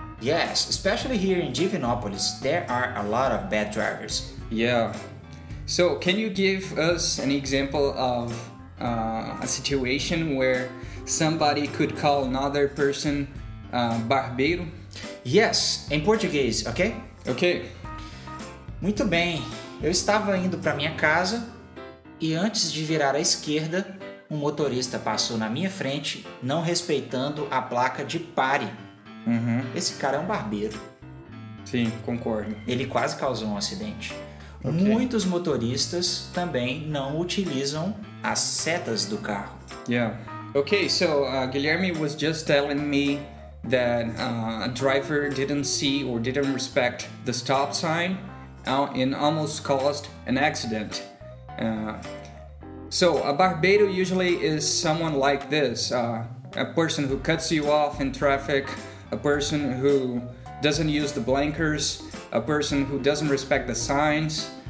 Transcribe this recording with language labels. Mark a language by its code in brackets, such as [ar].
[en] Yes, especially here in Divinópolis, there are a lot of bad drivers. Yeah. So, can you give us an example of a situation where somebody could call another person barbeiro? Yes, [pt] em português, [en] ok? Ok. [pt] Muito bem, eu estava indo para minha casa e antes de virar à esquerda, um motorista passou na minha frente, não respeitando a placa de pare. Uhum. Esse cara é um barbeiro. Sim, concordo. Ele quase causou um acidente. Okay. Muitos motoristas também não utilizam as setas do carro. Yeah. [en] Okay, so Guilherme was just telling me that a driver didn't see or didn't respect the stop sign and almost caused an accident. So a barbeiro usually is someone like this, a person who cuts you off in traffic, a person who doesn't use the blinkers, a person who doesn't respect the signs.